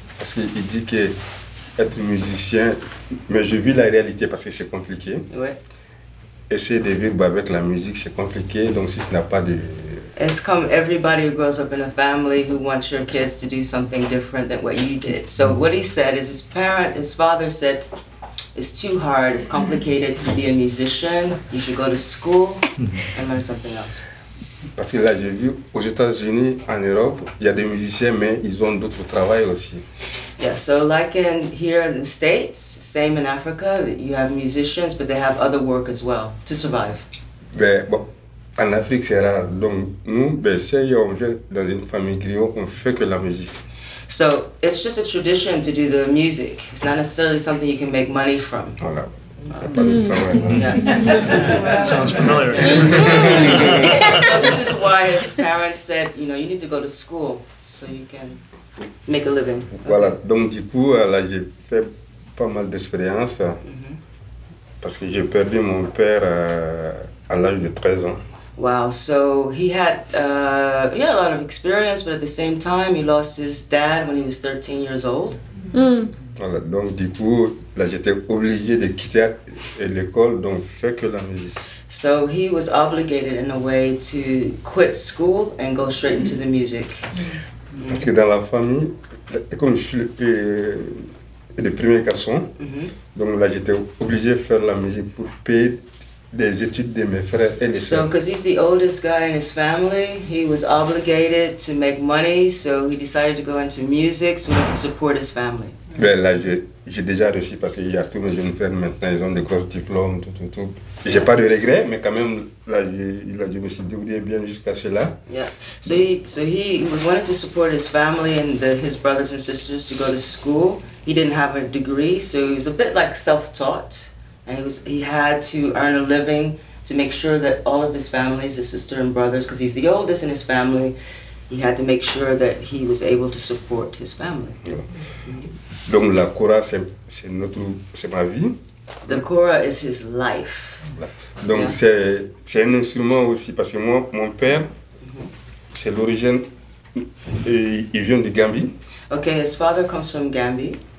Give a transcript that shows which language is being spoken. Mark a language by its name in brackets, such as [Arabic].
[French] Parce qu'il dit que être musicien. Mais je vis la réalité parce que c'est compliqué. Ouais. Essayer de vivre avec la musique, c'est compliqué. Donc, si tu n'as pas de. [English] It's come everybody who grows up in a family who wants your kids to do something different than what you did. So what he said is his father said, it's too hard, it's complicated to be a musician, you should go to school and learn something else. [French] Parce que là j'ai vu aux États-Unis, en Europe, il y a des musiciens mais ils ont d'autres travail aussi. [English] Yeah, so like in here in the States, same in Africa, you have musicians but they have other work as well to survive. [French] En Afrique, c'est rare. Donc, nous, ben, si on vient dans une famille griot, on fait que la musique. [English] So, it's just a tradition to do the music. It's not necessarily something you can make money from. [French] Voilà. Y'a pas de travail. [English] Sounds familiar. So, this is why his parents said, you know, you need to go to school so you can make a living. [French] Okay. Voilà. Donc, du coup, là, j'ai fait pas mal d'expériences. Parce que j'ai perdu mon père à l'âge de 13 ans. [English] Wow, so he had a lot of experience, but at the same time, he lost his dad when he was 13 years old. [French] Voilà, donc du coup, là j'étais obligé de quitter l'école, donc fait que la musique. [English] So he was obligated in a way to quit school and go straight into the music. [French] Parce que dans la famille, comme je suis le premier garçon, donc là j'étais obligé de faire la musique pour payer des études de mes frères et des sœurs. [English] So, because he's the oldest guy in his family, he was obligated to make money, so he decided to go into music so he could support his family. [French] Ben là, j'ai déjà réussi parce qu'il y a tous mes jeunes frères maintenant, ils ont des gros diplômes, tout. J'ai pas de regrets, mais quand même, là, je me suis débrouillé bien jusqu'à cela. [English] Yeah. So he was wanting to support his family and his brothers and sisters to go to school. He didn't have a degree, so he was a bit like self-taught. And he had to earn a living to make sure that all of his families, his sister and brothers, because he's the oldest in his family, he had to make sure that he was able to support his family. [French] Donc la kora c'est ma vie. [English] The kora is his life. [French] Donc c'est un instrument aussi parce que moi mon père c'est l'origine et il vient de Gambie. [English] Okay, his father comes from Gambie.